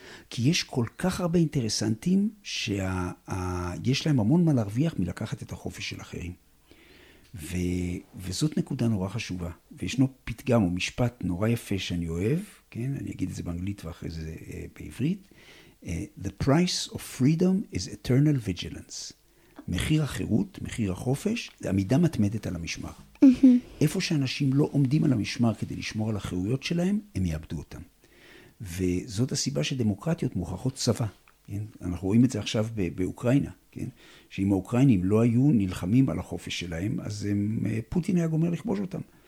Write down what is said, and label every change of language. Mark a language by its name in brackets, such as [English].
[Hebrew] כי יש כל כך הרבה אינטרסנטים שיש להם המון מה להרוויח מלקחת את החופש של אחרים. וזאת נקודה נורא חשובה. וישנו פתגם או משפט נורא יפה שאני אוהב, כן? אני אגיד את זה באנגלית ואחרי זה בעברית. [English] The price of freedom is eternal vigilance. [Hebrew] מחיר החירות, מחיר החופש, זה עמידה מתמדת על המשמר. איפה שאנשים לא עומדים על המשמר כדי לשמור על החירויות שלהם, הם יאבדו אותם. וזאת הסיבה שדמוקרטיות מוכרחות צבא. כן? אנחנו רואים את זה עכשיו באוקראינה, כן? שאם האוקראינים לא היו נלחמים על החופש שלהם, אז פוטין היה גומר לכבוש אותם.